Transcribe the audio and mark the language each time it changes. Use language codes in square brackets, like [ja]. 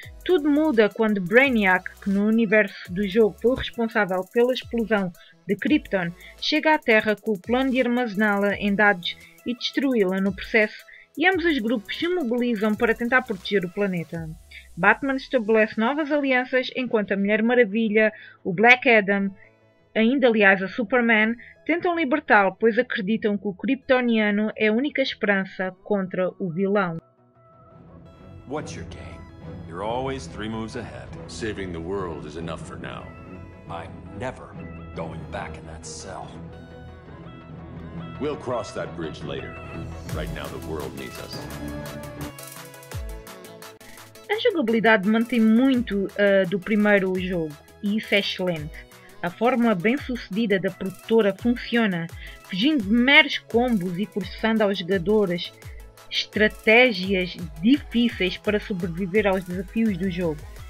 [pt] Tudo muda quando Brainiac, que no universo do jogo foi o responsável pela explosão de Krypton, chega à Terra com o plano de armazená-la em dados e destruí-la no processo, e ambos os grupos se mobilizam para tentar proteger o planeta. Batman estabelece novas alianças enquanto a Mulher Maravilha, o Black Adam, ainda aliás a Superman, tentam libertá-lo, pois acreditam que o Kryptoniano é a única esperança contra o vilão. [en] What's your game? You're always three moves ahead. Saving the world is enough for now. I'm never going back in that cell. We'll cross that bridge later. Right now the world needs us. [pt] A jogabilidade mantém muito do primeiro jogo, e isso é excelente. A fórmula bem sucedida da produtora funciona, fugindo de meros combos e forçando aos jogadores estratégias difíceis para sobreviver aos desafios do jogo.